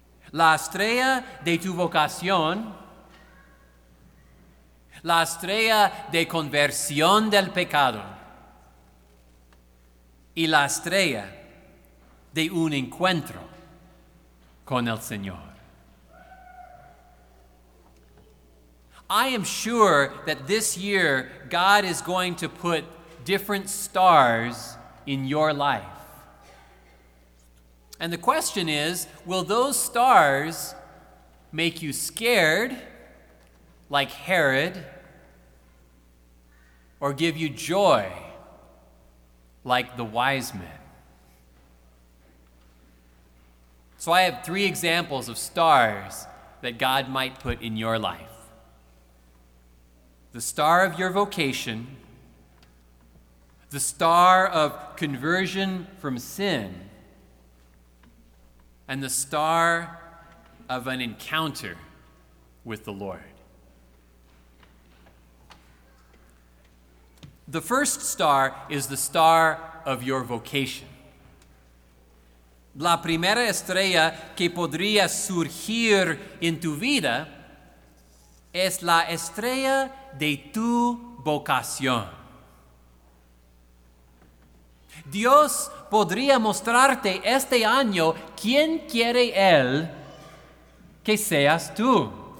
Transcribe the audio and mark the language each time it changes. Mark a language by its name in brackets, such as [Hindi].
[Spanish] La estrella de tu vocación, la estrella de conversión del pecado, y la estrella de un encuentro con el Señor. [English] I am sure that this year God is going to put different stars in your life. And the question is, will those stars make you scared like Herod, or give you joy like the wise men? So I have three examples of stars that God might put in your life. The star of your vocation, the star of conversion from sin, and the star of an encounter with the Lord. The first star is the star of your vocation. [Spanish] La primera estrella que podría surgir en tu vida es la estrella de tu vocación. Dios podría mostrarte este año quién quiere Él que seas tú.